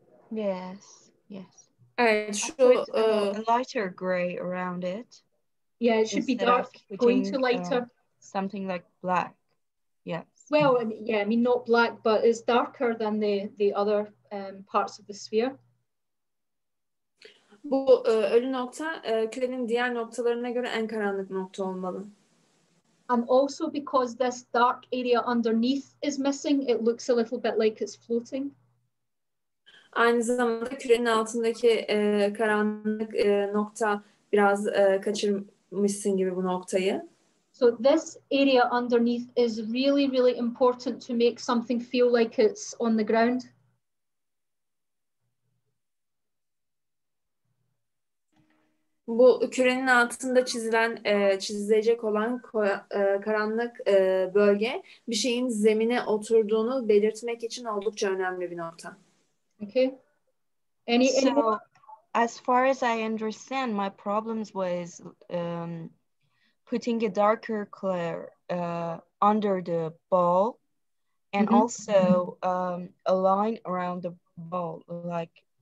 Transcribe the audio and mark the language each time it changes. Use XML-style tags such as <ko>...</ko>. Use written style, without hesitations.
<en>Yes. Yes. And so a lighter gray around it. Yeah, it should be dark going to lighter. Something like black. Yes. Well, I mean not black, but it's darker than the other parts of the sphere.</en> <tr>Bu ölü nokta kürenin diğer noktalarına göre en karanlık nokta olmalı.</tr> <en>And also because this dark area underneath is missing, it looks a little bit like it's floating.</en> <tr>Aynı zamanda kürenin altındaki karanlık nokta biraz kaçırmışsın gibi bu noktayı.</tr> <en>So this area underneath is really, really important to make something feel like it's on the ground.</en> <tr>Bu kürenin altında çizilecek olan karanlık bölge bir şeyin zemine oturduğunu belirtmek için oldukça önemli bir nokta.</tr> <en>Okay. As far as I understand, my problems was putting a darker color under the ball and mm-hmm. also a line around the ball, like</en>